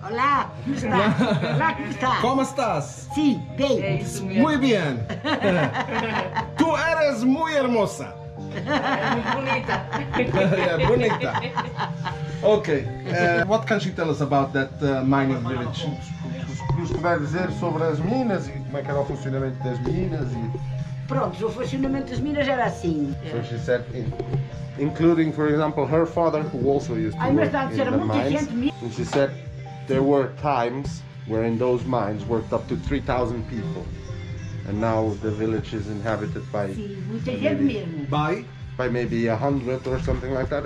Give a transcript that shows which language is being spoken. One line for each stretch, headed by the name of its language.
Spanish: Hola, ¿cómo estás? Hola, ¿cómo estás? ¿Cómo estás? Sí, bien. Muy bien. Tú eres muy hermosa. Bonita.
English: Okay. What can she tell us about that mining village?
Portuguese: Nos vai dizer sobre as minas e como é que era o funcionamento das minas e. Pronto, o funcionamento das minas era assim.
English: So she said, including, for example, her father, who also used to work in the mines. And she said, there were times where in those mines worked up to 3,000 people. And now the village is inhabited by maybe 100 or something like that.